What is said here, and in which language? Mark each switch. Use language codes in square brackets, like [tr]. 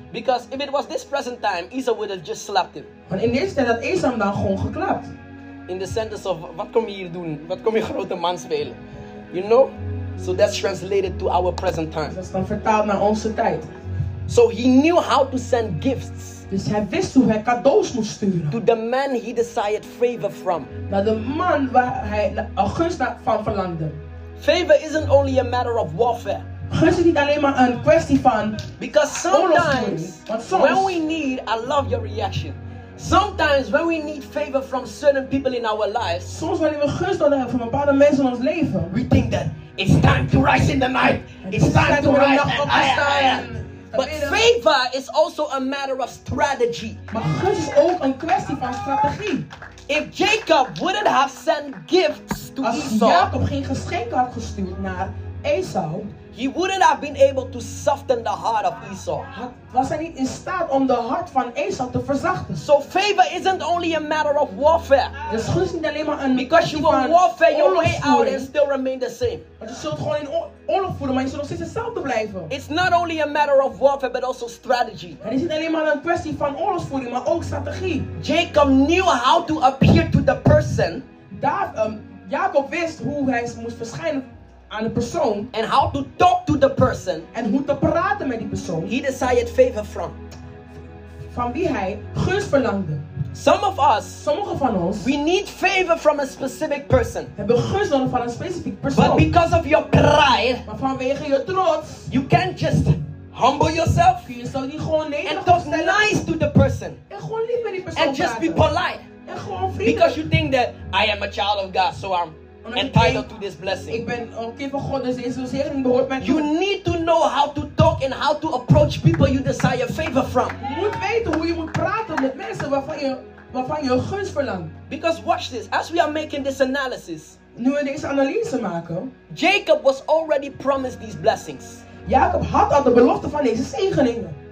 [en] Because if it was this present time, Esau would have just slapped him. [nl] Want in deze tijd had Esau hem dan gewoon geklapt. [en] In the sentence of, [nl] wat kom je hier doen? Wat kom je grote man spelen? [en] You know? So that's translated to our present time. [nl] Dat is dan vertaald naar onze tijd. [en] So he knew how to send gifts. [nl] Dus hij wist hoe hij cadeaus moest sturen. [en] To the man he desired favor from. [nl] Naar de man waar hij een gunst van verlangde. [en] Favor isn't only a matter of warfare. [nl] Gunst is niet alleen maar een kwestie van. [en] Because sometimes, when we need, I love your reaction. Sometimes when we need favor from certain people in our lives. [nl] Soms wanneer we gunst nodig hebben van bepaalde mensen in ons leven. [en] We think that it's time to rise in the night. It's time to rise up the stairs. But favor is also a matter of strategy. [nl] Maar gunst is ook een kwestie van strategie. [en] If Jacob wouldn't have sent gifts to Esau. [nl] Als Jacob geen geschenken had gestuurd naar Esau. [en] He wouldn't have been able to soften the heart of Esau. [nl] Was hij niet in staat om de hart van Esau te verzachten? [en] So favor isn't only a matter of warfare. [nl] Dus gunst is niet alleen maar een [en] because you will warfare your way out and still remain the same. [nl] Want je zult gewoon in oorlog voeren, maar je zult nog steeds hetzelfde blijven. [en] It's not only a matter of warfare, but also strategy. [nl] Het is niet alleen maar een kwestie van oorlogsvoering, maar ook strategie. [en] Jacob knew how to appear to the person. [nl] Jacob wist hoe hij moest verschijnen. Aan de persoon. [en] And how to talk to the person. [nl] En hoe te praten met die persoon. [en] He desired favor from. [nl] Van wie hij gunst verlangde. [en] Some of us. [nl] Sommige van ons. [en] We need favor from a specific person. [nl] Hebben gunst nodig van een specifiek persoon. [en] But because of your pride. [nl] Maar vanwege je trots. [en] You can't just humble yourself. [nl] Kun je zelf niet gewoon nederig. [en] And talk nice to the person. [nl] En gewoon lief met die persoon [en] and [nl] praten. [en] Just be polite. [nl] En gewoon vriendelijk. [en] Because you think that I am a child of God, so I'm. Entitled to this blessing. [nl] Ik ben een kind van God, dus deze zegening behoort mij. [en] You need to know how to talk and how to approach people you desire favor from. [nl] Je moet weten hoe je moet praten met mensen waarvan je gunst verlangt. [en] Because watch this, as we are making this analysis. [nl] Nu we deze analyse maken. [en] Jacob was already promised these blessings. [nl] Jacob had al de belofte van deze zegeningen.